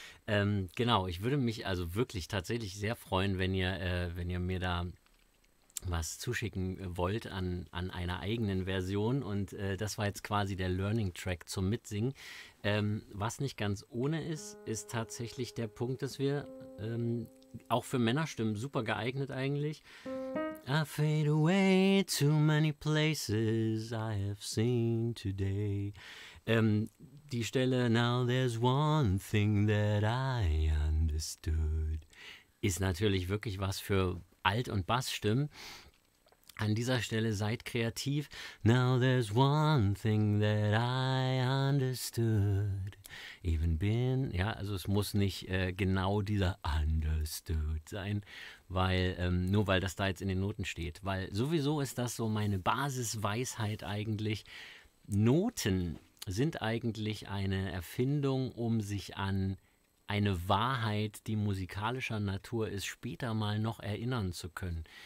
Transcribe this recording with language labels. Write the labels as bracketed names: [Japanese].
[German] Genau, ich würde mich also wirklich tatsächlich sehr freuen, wenn ihr mir da was zuschicken wollt an einer eigenen Version. Und das war jetzt quasi der Learning Track zum Mitsingen. Was nicht ganz ohne ist, ist tatsächlich der Punkt, dass wir auch für Männerstimmen super geeignet eigentlich. [English] I fade away, too many places I have seen today. [German] Die Stelle, [English] now there's one thing that I understood, [German] ist natürlich wirklich was für Alt- und Bassstimmen. An dieser Stelle seid kreativ. [English] Now there's one thing that I understood, even been. [German] Ja, also es muss nicht genau dieser understood sein, weil nur weil das da jetzt in den Noten steht. Weil sowieso ist das so meine Basisweisheit eigentlich. Noten sind eigentlich eine Erfindung, um sich an eine Wahrheit, die musikalischer Natur ist, später mal noch erinnern zu können.